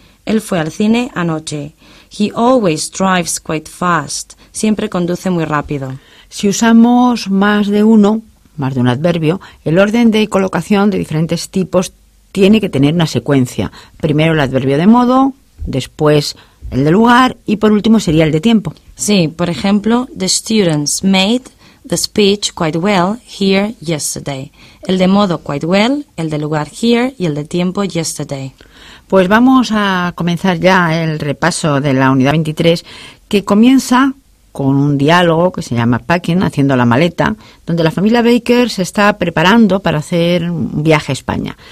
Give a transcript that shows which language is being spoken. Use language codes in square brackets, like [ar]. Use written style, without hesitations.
[es] Él fue al cine anoche. [en] He always drives quite fast. [es] Siempre conduce muy rápido. Si usamos más de uno, más de un adverbio, el orden de colocación de diferentes tipos tiene que tener una secuencia. Primero el adverbio de modo, después el de lugar y por último sería el de tiempo. Sí, por ejemplo, [en] the students made the speech quite well here yesterday. [es] El de modo quite well, el de lugar here y el de tiempo yesterday. Pues vamos a comenzar ya el repaso de la unidad 23, que comienza con un diálogo que se llama Packing, haciendo la maleta, donde la familia Baker se está preparando para hacer un viaje a España.